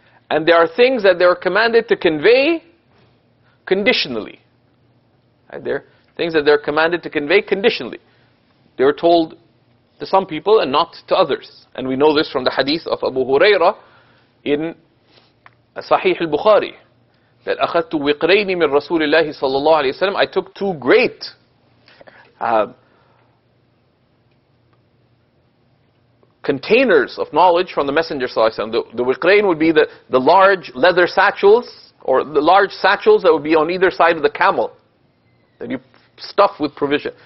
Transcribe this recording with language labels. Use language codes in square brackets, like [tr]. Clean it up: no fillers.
[en] And there are things that they were commanded to convey conditionally. Right? There are things that they're commanded to convey conditionally. They were told to some people and not to others. And we know this from the hadith of Abu Huraira in Sahih al-Bukhari. That [ar] أَخَذْتُ وِقْرَيْنِ مِنْ رَسُولِ اللَّهِ صَلَى اللَّهُ عَلَيْهِ وَسَلَمْ. [en] I took two great containers of knowledge from the Messenger صلى الله عليه وسلم. The wiqrayn would be the large leather satchels, or the large satchels that would be on either side of the camel that you stuff with provision.